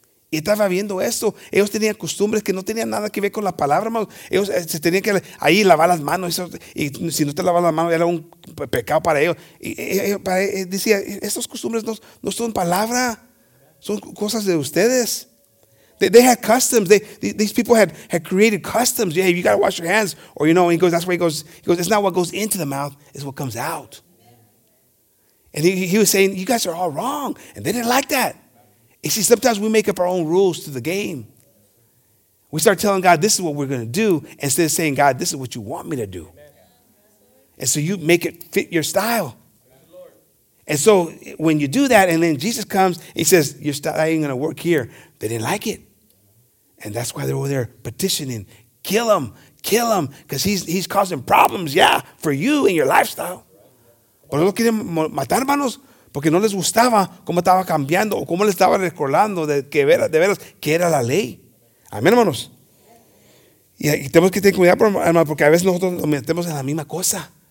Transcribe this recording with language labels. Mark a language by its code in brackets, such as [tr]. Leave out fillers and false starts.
[es] Y estaba viendo esto. Ellos tenían costumbres que no tenían nada que ver con la palabra, hermanos. Ellos se tenían que ahí lavar las manos. Y si no te lavas las manos, era un pecado para ellos. Y decía, estas costumbres no son palabra, son cosas de ustedes. [en] They had customs. These people had created customs. Yeah, you got to wash your hands. Or, you know, he goes, that's where he goes. He goes, it's not what goes into the mouth. It's what comes out. And he was saying, you guys are all wrong. And they didn't like that. You see, sometimes we make up our own rules to the game. We start telling God, this is what we're going to do. Instead of saying, God, this is what you want me to do. And so you make it fit your style. And so when you do that, and then Jesus comes, he says, your style ain't going to work here. They didn't like it. And that's why they're over there petitioning. Kill him, because he's causing problems, yeah, for you and your lifestyle. [es] Pero no quieren matar, hermanos, porque no les gustaba cómo estaba cambiando o cómo le estaba recordando de veras que era la ley. Amén, hermanos. Y tenemos que tener cuidado, hermanos, porque a veces nosotros nos metemos en la misma cosa.